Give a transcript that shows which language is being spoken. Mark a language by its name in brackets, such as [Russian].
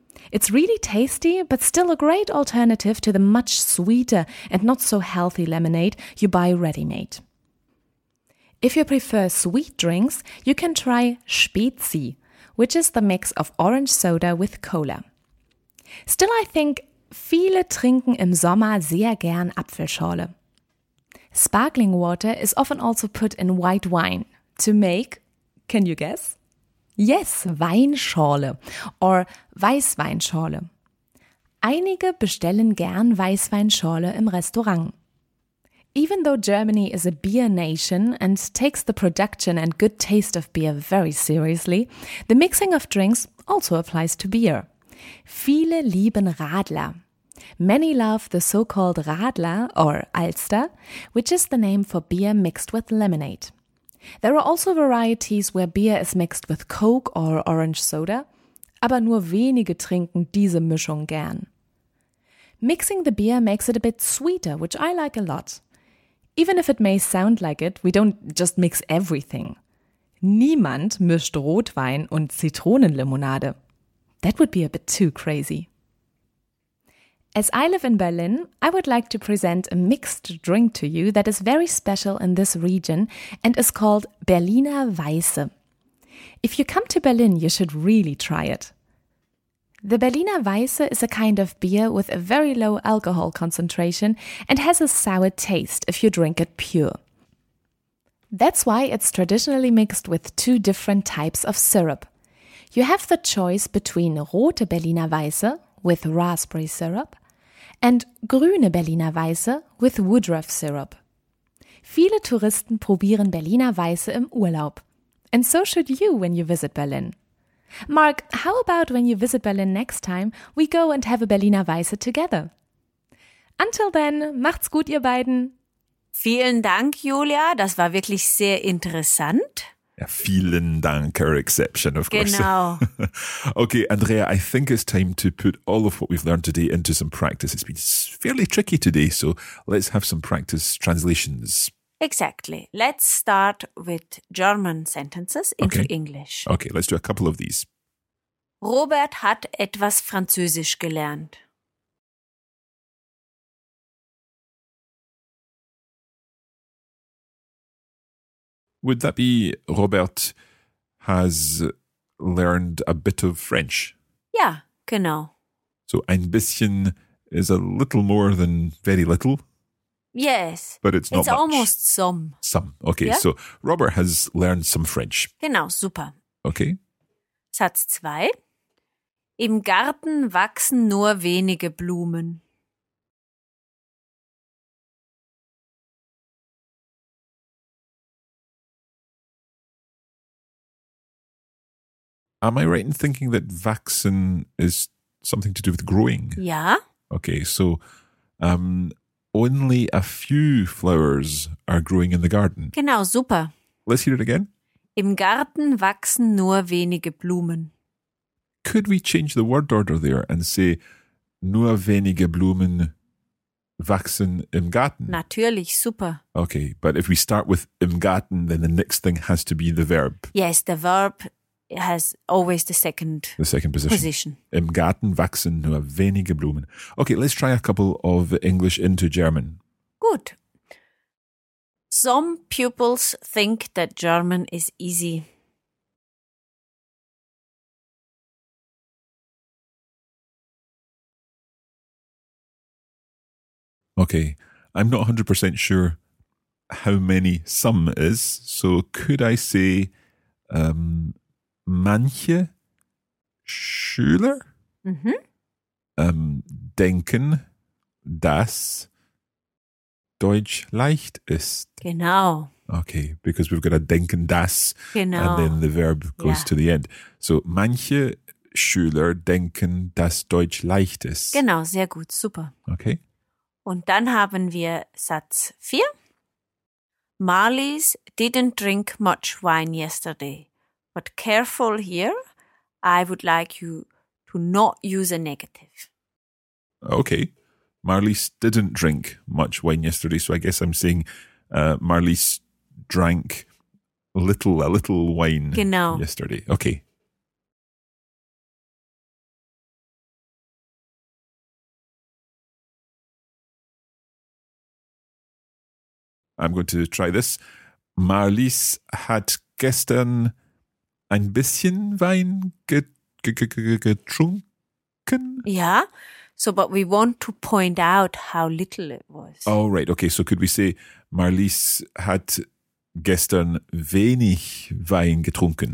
[English] It's really tasty, but still a great alternative to the much sweeter and not so healthy lemonade you buy ready-made. If you prefer sweet drinks, you can try Spezi, which is the mix of orange soda with cola. Still, I think [German] viele trinken im Sommer sehr gern Apfelschorle. [English] Sparkling water is often also put in white wine to make, can you guess? Yes, Weinschorle or Weißweinschorle. [German] Einige bestellen gern Weißweinschorle im Restaurant. [English] Even though Germany is a beer nation and takes the production and good taste of beer very seriously, the mixing of drinks also applies to beer. [German] Viele lieben Radler. [English] Many love the so-called Radler or Alster, which is the name for beer mixed with lemonade. There are also varieties where beer is mixed with Coke or orange soda, [German] aber nur wenige trinken diese Mischung gern. [English] Mixing the beer makes it a bit sweeter, which I like a lot. Even if it may sound like it, we don't just mix everything. [German] Niemand mischt Rotwein und Zitronenlimonade. [English] That would be a bit too crazy. As I live in Berlin, I would like to present a mixed drink to you that is very special in this region and is called Berliner Weiße. If you come to Berlin, you should really try it. The Berliner Weiße is a kind of beer with a very low alcohol concentration and has a sour taste if you drink it pure. That's why it's traditionally mixed with two different types of syrup. You have the choice between rote Berliner Weiße with raspberry syrup and grüne Berliner Weiße with Woodruff syrup. [German] Viele Touristen probieren Berliner Weiße im Urlaub. [English] And so should you when you visit Berlin. Mark, how about when you visit Berlin next time, we go and have a Berliner Weiße together? Until then, [German] macht's gut, ihr beiden. Vielen Dank, Julia. Das war wirklich sehr interessant. Ja, vielen Dank, [English] our exception, of [German] genau. [English] Course. [German] Genau. [English] Okay, Andrea, I think it's time to put all of what we've learned today into some practice. It's been fairly tricky today, so let's have some practice translations. Exactly. Let's start with German sentences into okay. English. Okay, let's do a couple of these. [German] Robert hat etwas Französisch gelernt. [English] Would that be Robert has learned a bit of French? Yeah, [German] genau. [English] So ein bisschen is a little more than very little. Yes. But it's not it's much. Almost some. Some. Okay, yeah? So Robert has learned some French. [German] Genau, super. [English] Okay. [German] Satz 2. Im Garten wachsen nur wenige Blumen. [English] Am I right in thinking that wachsen is something to do with growing? Yeah. Okay, so only a few flowers are growing in the garden. [German] Genau, super. [English] Let's hear it again. [German] Im Garten wachsen nur wenige Blumen. [English] Could we change the word order there and say [German] nur wenige Blumen wachsen im Garten? Natürlich, super. [English] Okay, but if we start with [German] im Garten, [English] then the next thing has to be the verb. Yes, the verb has always the second position. [German] Im Garten wachsen nur wenige Blumen. [English] Okay, let's try a couple of English into German. [German] Gut. [English] Some pupils think that German is easy. Okay, I'm not 100% sure how many some is, so could I say [German] manche Schüler denken, dass Deutsch leicht ist. Genau. [English] Okay, because we've got a [German] denken, dass, genau. [English] And then the verb goes to the end. [German] So manche Schüler denken, dass Deutsch leicht ist. Genau, sehr gut, super. [English] Okay. [German] Und dann haben wir Satz 4. [English] Marlies didn't drink much wine yesterday. But careful here, I would like you to not use a negative. Okay, Marlies didn't drink much wine yesterday, so I guess I'm saying Marlies drank a little wine genau. Yesterday. Okay. I'm going to try this. [German] Marlies hat gestern ein bisschen Wein getrunken? [English] Yeah. So, but we want to point out how little it was. Oh, right. Okay. So, could we say [German] Marlies hat gestern wenig Wein getrunken.